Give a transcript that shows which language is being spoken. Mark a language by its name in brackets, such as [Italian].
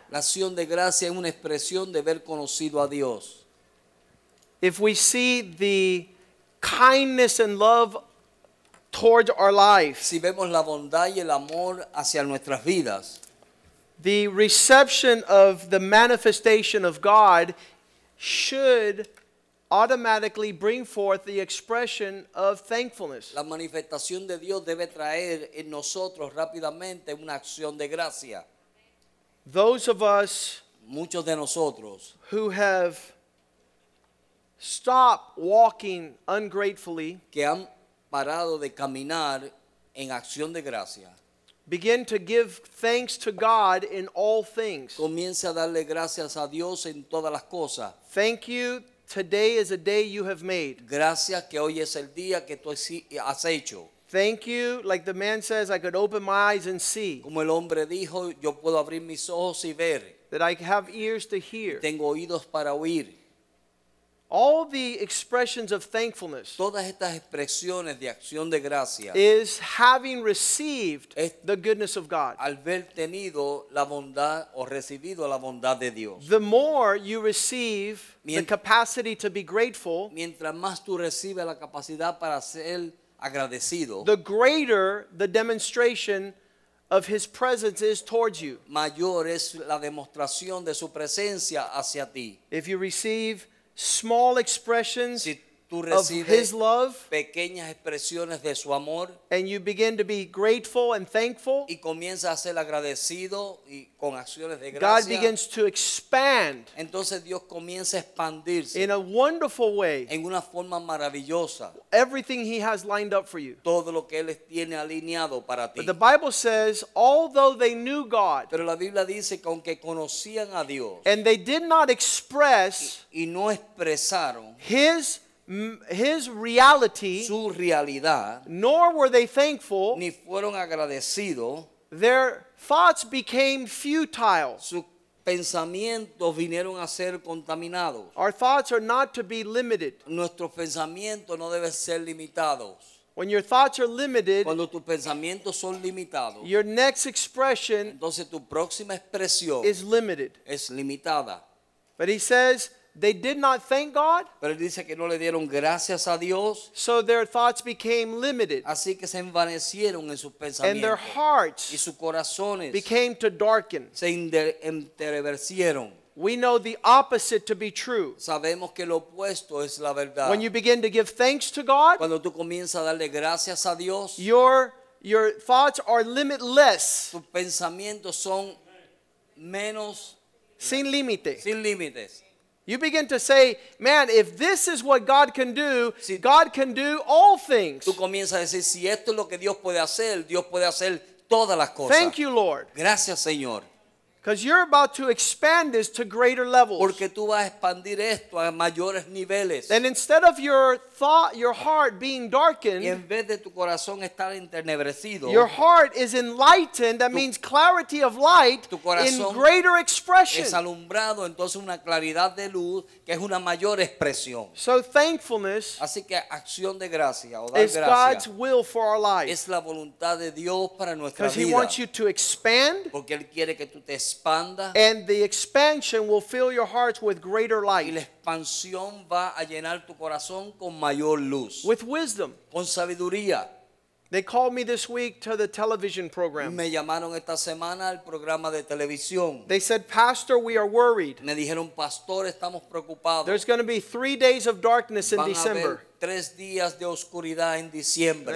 [Spanish] La acción de gracia es una expresión de haber conocido a Dios. [English] If we see the kindness and love towards our life, [Spanish] si vemos la bondad y el amor hacia nuestras vidas, [English] the reception of the manifestation of God should automatically bring forth the expression of thankfulness. [Spanish] La manifestación de Dios debe traer en nosotros rápidamente una acción de gracia. [English] Those of us, [Spanish] muchos de nosotros, [English] who have stopped walking ungratefully, [Spanish] que han parado de caminar en acción de gracia, [English] begin to give thanks to God in all things. [Spanish] Comienza a darle gracias a Dios en todas las cosas. [English] Thank you. Today is a day you have made. [Spanish] Gracias que hoy es el día que tú has hecho. [English] Thank you. Like the man says, I could open my eyes and see. [Spanish] Como el hombre dijo, yo puedo abrir mis ojos y ver. [English] That I have ears to hear. [Spanish] Tengo oídos para oír. [English] All the expressions of thankfulness. [Spanish] Todas estas expresiones de acción de gracia. [English] Is having received the goodness of God. [Spanish] Al haber tenido la bondad o recibido la bondad de Dios. [English] The more you receive the capacity to be grateful. [Spanish] Mientras más tú recibes la capacidad para ser agradecido. [English] The greater the demonstration of his presence is towards you. [Spanish] Mayor es la demostración de su presencia hacia ti. [English] If you receive small expressions [Spanish] si [English] of his love, [Spanish] pequeñas expresiones de su amor, [English] and you begin to be grateful and thankful, [Spanish] y comienza a ser agradecido y con acciones de gracia, [English] God begins to expand. [Spanish] Entonces Dios comienza a expandirse [English] in a wonderful way. [Spanish] En una forma maravillosa. [English] Everything he has lined up for you. [Spanish] Todo lo que él tiene alineado para ti. [English] But the Bible says, although they knew God, [Spanish] pero la Biblia dice que aunque conocían a Dios, [English] and they did not express [Spanish] y no expresaron [English] his reality, [Spanish] su realidad, [English] nor were they thankful, [Spanish] ni fueron agradecido, [English] their thoughts became futile. [Spanish] Su pensamiento vinieron a ser contaminados. [English] Our thoughts are not to be limited. [Spanish] Nuestro pensamiento no debe ser limitados. [English] When your thoughts are limited, [Spanish] cuando tus pensamientos son limitados, [English] your next expression, [Spanish] entonces tu próxima expresión, [English] is limited. [Spanish] Es limitada. [English] But he says, they did not thank God. [Spanish] Pero dice que no le dieron gracias a Dios. [English] So their thoughts became limited. [Spanish] Así que se envanecieron en sus pensamientos. [English] And their hearts [Spanish] y sus corazones [English] became to darken. [Spanish] Se entenebrecieron. [English] We know the opposite to be true. [Spanish] Sabemos que lo opuesto es la verdad. [English] When you begin to give thanks to God, [Spanish] cuando tú comienzas a darle gracias a Dios, [English] your thoughts are limitless. [Spanish] Tus pensamientos son menos sin límite. Sin límites. [English] You begin to say, man, if this is what God can do, [Spanish] si, [English] God can do all things. [Spanish] Tú comienzas a decir, si esto es lo que Dios puede hacer todas las cosas. [English] Thank you, Lord. [Spanish] Gracias, Señor. [English] Because you're about to expand this to greater levels. [Spanish] Porque tú vas a expandir esto a mayores niveles. [English] And instead of your thought, your heart being darkened, [Spanish] y en vez de tu corazón estar entenebrecido, [English] your heart is enlightened. That means clarity of light, [Spanish] tu corazón [English] in greater expression. [Spanish] Es alumbrado, entonces una claridad de luz que es una mayor expresión. [English] So thankfulness, [Spanish] así que acción de gracia, o dar gracias, [English] is God's will for our life. [Spanish] Es la voluntad de Dios para nuestra vida. [English] Because he wants you to expand. [Spanish] Porque él quiere que tú te expanda. [English] And the expansion will fill your hearts with greater light. [Spanish] Y la expansión va a llenar tu corazón con mayor luz. [English] With wisdom. [Spanish] Con sabiduría. [English] They called me this week to the television program. [Spanish] Me llamaron esta semana al programa de televisión. [English] They said, Pastor, we are worried. [Spanish] Me dijeron, Pastor, estamos preocupados. [English] There's going to be 3 days of darkness in December. [Spanish] Van a haber 3 días de oscuridad en diciembre.